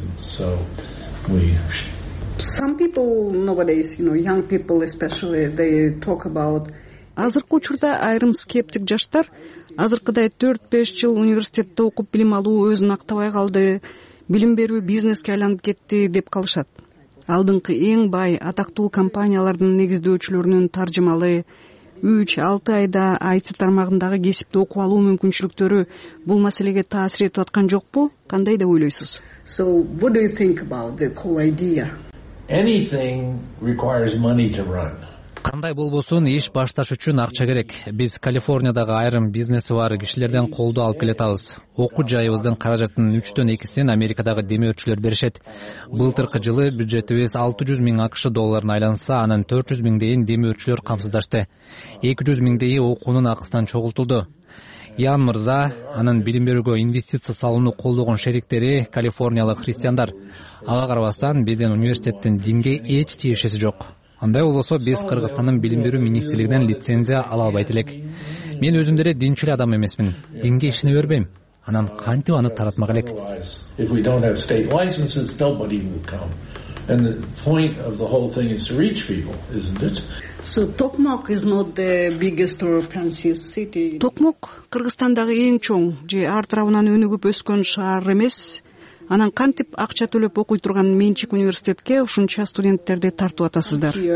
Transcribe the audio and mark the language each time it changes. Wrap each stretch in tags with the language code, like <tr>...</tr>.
<en>Some people nowadays, you know, young people especially, they talk about.</en> <ky>Азыркы учурда айрым скептик жаштар азыркыдай 4-5 жыл университетте окуп билим алуу өзүн актабай калды, билим берүү бизнеске айланып кетти деп калышат. Алдыңкы эң бай, атактуу компаниялардын негиздөөчүлөрүнүн таржымалы, 3-6 айда IT тармагындагы кесипти окуп алуу мүмкүнчүлүктөрү бул маселеге таасир этип аткан жокпу? Кандай деп ойлойсуз?</ky> <en>So, what do you think about the whole idea? Anything requires money to run.</en> <ky>Кандай болбосун иш башташ үчүн акча керек. Биз Калифорниядагы айрым бизнеси бар кишилерден колдоо алып келатабыз. Окуу жайыбыздын каражатынын 3/2 Америкадагы демөөрчүлөр беришет. Былтыркы жылы бюджетибиз 600 миң АКШ долларына айланса, анын 400 миңдейин демөөрчүлөр камсыздашты. 200 миңдейи окуунун акысынан чогултулду. Ян мырза, анын билим берүүгө инвестиция салууну колдогон шериктери Калифорниялык христиандар. Ага карабастан биздин университеттин динге эч тиешеси жок. Андай болсо, биз Кыргызстандын билим берүү министрлигинен лицензия ала албайт элек. Мен өзүм деле динчил адам эмесмин. Динге ишине бербейм. Анан кантип аны таратмак элек?</ky> <en>If we don't have state licenses, nobody will come. And the point of the whole thing is to reach people, isn't it? So Токмок is not the biggest or fanciest city.</en> <ky>Токмок Кыргызстандагы эң чоң же ар тарабынан өнүгүп өскөн шаар эмес. Анан кантип акча төлөп окуй турган менчик университетке ушунча студенттерди тартып атасыздар?</ky>